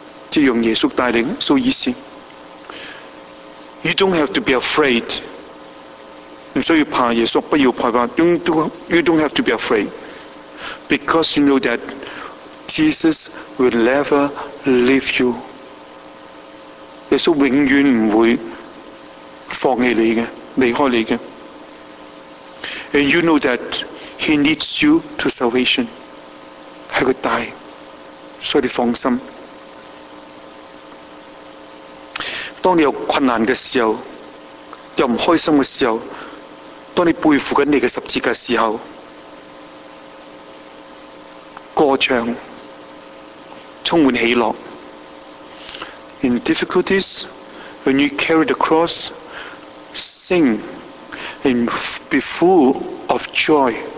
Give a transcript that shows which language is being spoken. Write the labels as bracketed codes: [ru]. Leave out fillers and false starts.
[zh] 即用耶稣带领 [en] so easy. You don't have to be afraid. [zh] 不需要怕耶稣，不要怕， [en] you don't have to be afraid. Because you know thatJesus will never leave you. [zh] 耶稣永远不会放弃你的，离开你的。 [en] And you know that He leads you to salvation. [zh] 是他带，所以你放心。当你有困难的时候，又不开心的时候，当你背负着你的十字架的时候，歌唱充满喜乐。 [en] In difficulties, when you carry the cross, sing and be full of joy.